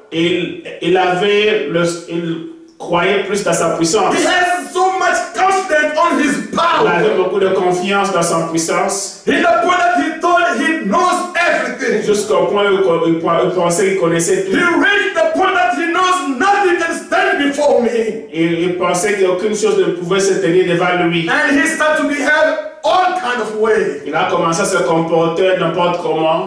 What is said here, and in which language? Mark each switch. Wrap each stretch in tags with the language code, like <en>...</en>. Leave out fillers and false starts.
<fr>Il avait le il croyait plus dans sa puissance.</fr> <en>He has so much confidence on his power.</en> <fr>Il avait beaucoup de confiance dans sa puissance.</fr> <en>In the point that he thought he knows everything.</en> <fr>Jusqu'au point où il pensait qu'il connaissait tout.</fr> <en>He reached the point that he knows nothing can stand before me.</en> <fr>Il pensait qu'aucune chose ne pouvait se tenir devant lui.</fr> <en>And he started to behave all kind of way.</en> <fr>Il a commencé à se comporter n'importe comment.</fr>